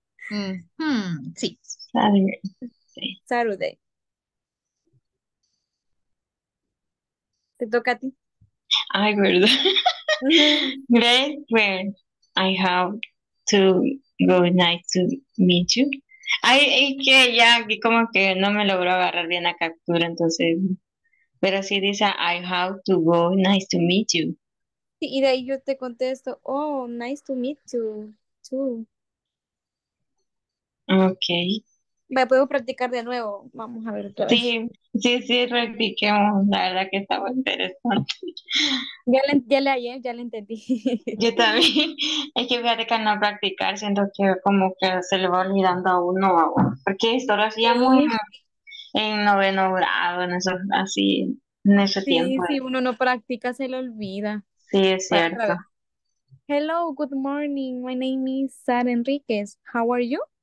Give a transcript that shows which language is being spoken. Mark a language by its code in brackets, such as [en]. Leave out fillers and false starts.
[es] Mm-hmm. Sí. [en] Saturday. [es] Te toca a ti. Ay, verdad. Great. [en] Well, I have to go nice to meet you. [es] Ay, es que ya aquí como que no me logró agarrar bien la captura, entonces. Pero sí dice, [en] I have to go, nice to meet you. [es] Sí, y de ahí yo te contesto, [en] oh, nice to meet you, too. Ok. [es] Me puedo practicar de nuevo, vamos a ver otra vez. Sí, practiquemos, la verdad que estaba interesante. Ya le entendí. Yo también, es que fíjate que al no practicar, siento que como que se le va olvidando a uno, porque esto lo hacía muy en noveno grado, en eso, así, en ese sí, tiempo. Sí, uno no practica, se le olvida. Sí, es cierto. [en] Hello, good morning, my name is Sara Enriquez, how are you?